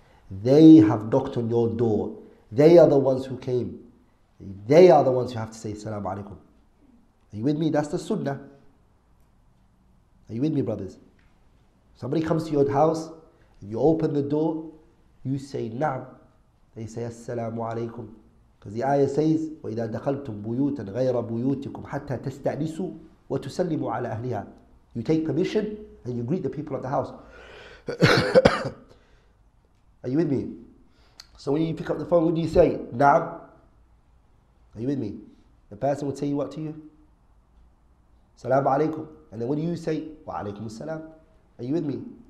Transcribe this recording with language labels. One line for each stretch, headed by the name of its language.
English: They have knocked on your door. They are the ones who came. They are the ones who have to say Assalamu alaikum. Are you with me? That's the sunnah. Are you with me, brothers? Somebody comes to your house, you open the door, you say Naam. They say Assalamu alaikum. Because the ayah says,
Arabic: وَإِذَا دَخَلْتُمْ بُيُوتًا غَيْرَ بُيُوتِكُمْ حَتَّى تَسْتَأْنِسُوا وَتُسَلِّمُوا عَلَى أَهْلِهَا.
English: You take permission and you greet the people at the house. Are you with me? So when you pick up the phone, what do you say? Naam. Are you with me? The person would say what to you? Salaam alaikum. And then what do you say? Wa alaikum as-salam. Are you with me?